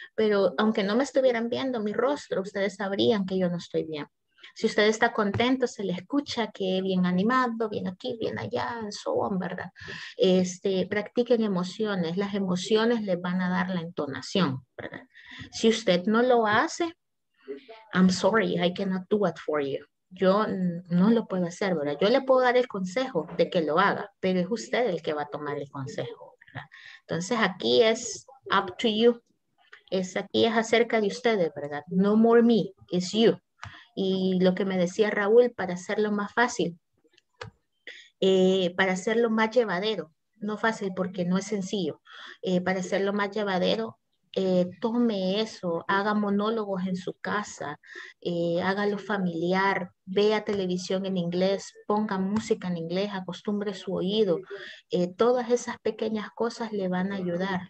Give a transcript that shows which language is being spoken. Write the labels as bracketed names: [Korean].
[Spanish] Pero aunque no me estuvieran viendo mi rostro, ustedes sabrían que yo no estoy bien. Si usted está contento, se le escucha que bien animado, bien aquí, bien allá, [English] so on, [Spanish] ¿verdad? Practiquen emociones. Las emociones le van a dar la entonación, ¿verdad? Si usted no lo hace, [English] I'm sorry, I cannot do it for you. [Spanish] Yo no lo puedo hacer, ¿verdad? Yo le puedo dar el consejo de que lo haga, pero es usted el que va a tomar el consejo, ¿verdad? Entonces, aquí es [English] up to you. [Spanish] Aquí es acerca de ustedes, ¿verdad? [English] No more me, it's you. [Spanish] Y lo que me decía Raúl, para hacerlo más fácil, para hacerlo más llevadero, no fácil porque no es sencillo, para hacerlo más llevadero, tome eso, haga monólogos en su casa, hágalo familiar, vea televisión en inglés, ponga música en inglés, acostumbre su oído, todas esas pequeñas cosas le van a ayudar.